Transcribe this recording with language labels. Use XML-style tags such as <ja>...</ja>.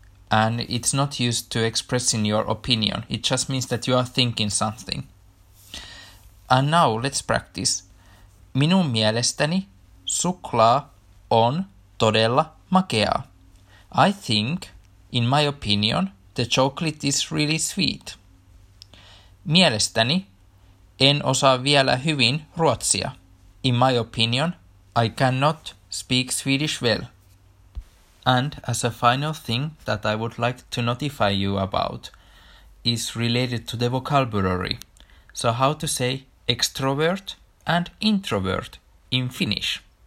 <en>And it's not used to express in your opinion, it just means that you are thinking something. And now let's practice.</en> <fi>Minun mielestäni suklaa on todella makea.</fi> <en>I think, in my opinion, the chocolate is really sweet.</en> <fi>Mielestäni, en osaa vielä hyvin ruotsia.</fi> <en>In my opinion, I cannot speak Swedish well. And as a final thing that I would like to notify you about is related to the vocabulary. So how to say extrovert and introvert in Finnish.</en>